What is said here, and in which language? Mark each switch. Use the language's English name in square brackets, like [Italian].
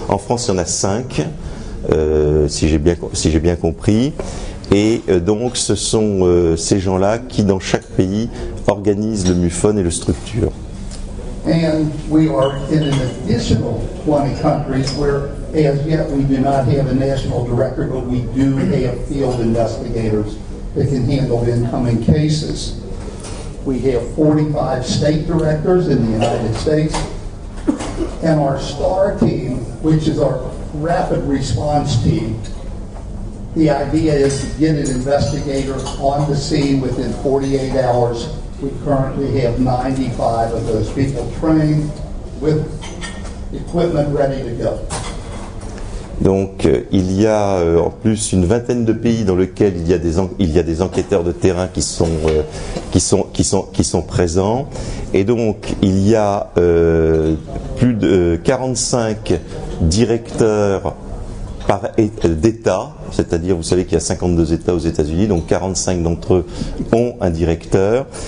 [French] En France, il y en a 5, si j'ai bien compris. Et donc, ce sont ces gens-là qui, dans chaque pays, organisent le MUFON et le structure. [English] And we are in an additional 20 countries where, as yet, we do not have a national director, but we do have field investigators that can handle incoming cases. We have 45 state directors in the United States, and our STAR team, which is our rapid response team. The idea is to get an investigator on the scene within 48 hours. We currently have 95 of those people trained with equipment ready to go. [French] Donc, il y a en plus une vingtaine de pays dans lesquels il y a des enquêteurs de terrain qui sont présents. Et donc, il y a plus de 45 directeurs par d'État, c'est-à-dire, vous savez qu'il y a 52 États aux États-Unis, donc 45 d'entre eux ont un directeur.